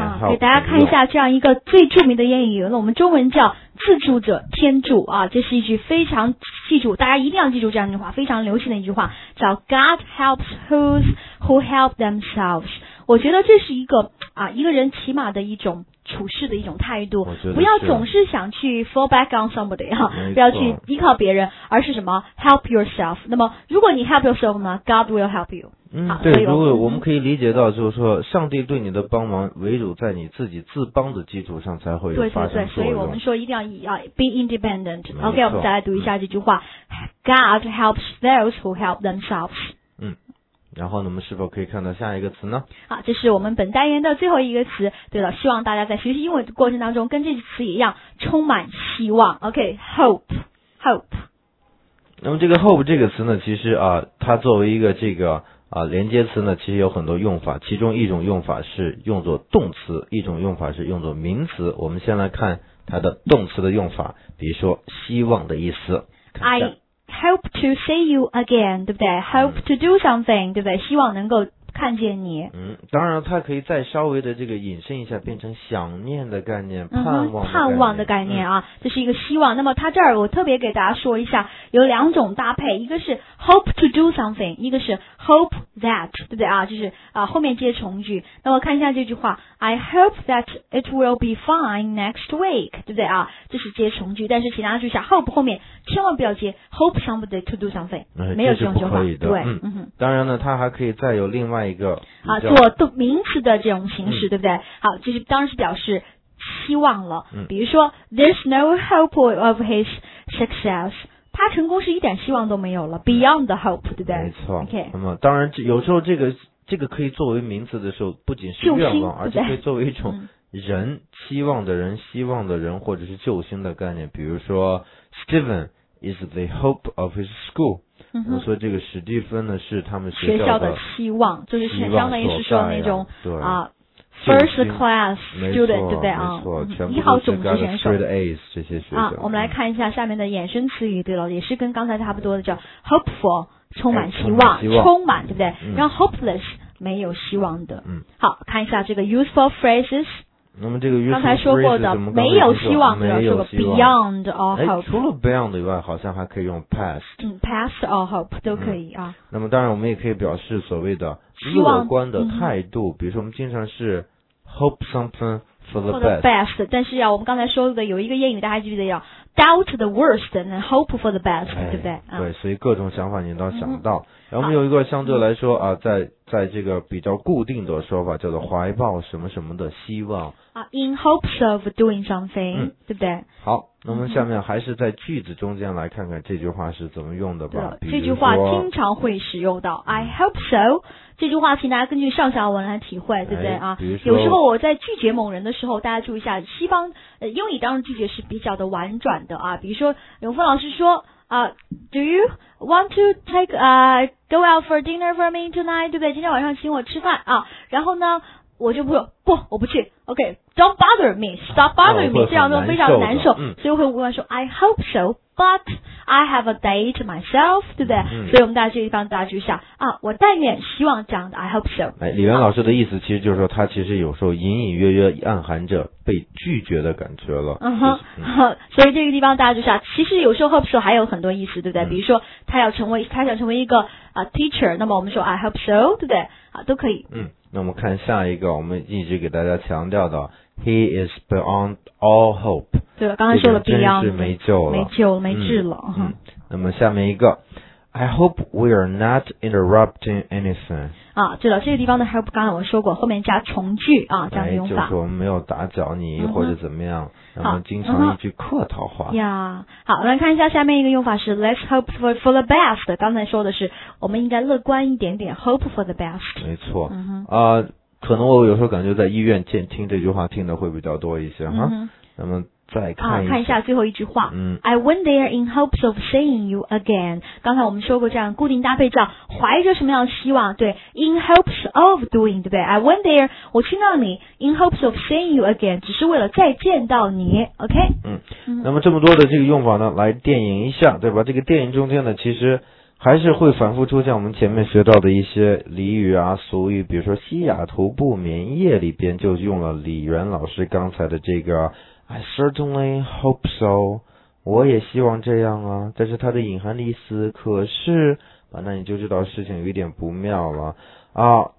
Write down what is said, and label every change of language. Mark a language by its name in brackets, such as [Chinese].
[Chinese] 啊、给大家看一下这样一个最著名的谚语，我们中文叫自助者天助啊，这是一句非常记住，大家一定要记住这样一句话，非常流行的一句话，叫 [English] God helps those who help themselves。 [Chinese] 我觉得这是一个啊，一个人起码的一种处事的一种态度，不要总是想去 [English] fall back on somebody [Chinese] 啊，不要去依靠别人，而是什么 [English] help yourself。 [Chinese] 那么如果你 [English] help yourself 呢， God will help you。 [Chinese] 嗯，对，如果我们可以理解到，就是说，上帝对你的帮忙，唯独在你自己自帮的基础上才会有发生作用。对，所以我们说一定要 [English] be independent。 OK， [Chinese] 我们再来读一下这句话、 [English] God helps those who help themselves。 [Chinese] 嗯，然后呢，我们是否可以看到下一个词呢？好，这是我们本单元的最后一个词。对了，希望大家在学习英文的过程当中，跟这句词一样，充满希望。 [English] OK，hope，hope、okay, hope。 [Chinese] 那么这个 hope 这个词呢，其实啊，它作为一个这个。啊，连接词呢其实有很多用法，其中一种用法是用作动词，一种用法是用作名词。我们先来看它的动词的用法，比如说希望的意思。 [English] I hope to see you again， [Chinese] 对不对 [English] ？Hope to do something， 对不对？ [Chinese] 希望能够看见你。嗯，当然它可以再稍微的这个引申一下，变成想念的概念，盼望的概念、嗯、这是一个希望。那么它这儿我特别给大家说一下，有两种搭配，一个是 [English] hope to do something， [Chinese] 一个是 [English] hope that， [Chinese] 对不对啊？就是啊后面接从句。那么看一下这句话 [English] ，I hope that it will be fine next week， 对不对啊？ [Chinese] 这是接从句，但是请大家注意一下 ，hope 后面千万不要接 [English] hope somebody to do something，、 [Chinese] 没有这种说法。对，嗯，当然呢，它还可以再有另外。啊，做名词的这种形式，对不对？好，就是当时表示希望了。比如说 ， [English] There's no hope of his success， [Chinese] 他成功是一点希望都没有了 ， [English] Beyond the hope， [Chinese] 对不对？没错。 OK，那么当然，有时候这个可以作为名词的时候，不仅是愿望，而且可以作为一种人期望的人、希望的人或者是救星的概念。比如说 [English] ，Steven is the hope of his school。 [Chinese] 我说这个史蒂芬呢是他们学校的希望，就是相当于是说那种啊 [English] first class student， [Chinese] 对不对啊？一号种子选手 A's 这些学生啊。我们来看一下下面的衍生词语，对了，也是跟刚才差不多的，叫 hopeful 充满希望，充满，对不对？然后 hopeless 没有希望的。好，看一下这个 [English] useful phrases。 [Chinese] 那么这个刚才说过的没有希望，没有说过 [English] beyond all hope。 [Chinese] 除了 beyond 以外，好像还可以用 past。 [English] past all hope [Chinese] 都可以啊。那么当然，我们也可以表示所谓的乐观的态度，比如说我们经常是 [English] hope something for the best。 [Chinese] 但是我们刚才说的有一个谚语，大家记得要 [English] doubt the worst and hope for the best， [Chinese] 哎、对不对？对，所以各种想法你都想到。我们有一个相对来说啊，在这个比较固定的说法叫做怀抱什么什么的希望 [English] 啊 ，in hopes of doing something， [Chinese] 对不对？好，那么下面还是在句子中间来看看这句话是怎么用的吧。这句话经常会使用到 ， [English] I hope so。 [Chinese] 这句话请大家根据上下文来体会，对不对啊？比如说有时候我在拒绝某人的时候，大家注意一下，西方英语当中拒绝是比较的婉转的啊。比如说永峰老师说。 [English] Do you want to take go out for dinner for me tonight? [Chinese] 对不对？今天晚上请我吃饭啊。然后呢，我就不，我不去。 [English] OK, don't bother me. Stop bothering me. [Chinese] 这样都非常难受。嗯、所以我会问说 ， [English] I hope so, But I have a date myself, [Chinese] 对不对、嗯、所以我们大家这地方大家就想啊，我但愿希望这样的 [English] I hope so、 [Chinese] 哎、李元老师的意思其实就是说他其实有时候隐隐约约暗含着被拒绝的感觉了、嗯、所以这个地方大家就想其实有时候 [English] hope so [Chinese] 还有很多意思对不对、嗯、比如说他想成为一个啊 teacher 那么我们说 [English] I hope so, [Chinese] 对不对啊都可以嗯，那我们看下一个我们一直给大家强调的 [English] He is beyond all hope. [Chinese] 对，刚才说了 beyond, 真是没救了，没救，没治了、嗯嗯。那么下面一个 [English] ，I hope we are not interrupting anything. [Chinese] 啊，对了，这个地方的 hope 刚才我说过，后面加从句啊，这样的用法。哎、就是我们没有打搅你、嗯、或者怎么样，然后经常一句客套话。呀、嗯，好，来看一下下面一个用法是 [English] Let's hope for the best. [Chinese] 刚才说的是我们应该乐观一点点 ， [English] hope for the best. [Chinese] 没错，嗯可能我有时候感觉在医院听这句话听的会比较多一些、嗯、哈。那么再看看一下最后一句话、嗯、 [English] I went there in hopes of seeing you again [Chinese] 刚才我们说过这样固定搭配叫怀着什么样的希望对 [English] in hopes of doing [Chinese] 对不对 [English] I went there [Chinese] 我去到你 [English] in hopes of seeing you again [Chinese] 只是为了再见到你 [English] OK、 [Chinese] 嗯、那么这么多的这个用法呢来电影一下对吧这个电影中间呢其实还是会反复出现我们前面学到的一些俚语啊俗语比如说西雅图不眠夜里边就用了李元老师刚才的这个 [English] I certainly hope so [Chinese] 我也希望这样啊但是它的隐含的意思可是啊，那你就知道事情有点不妙了啊。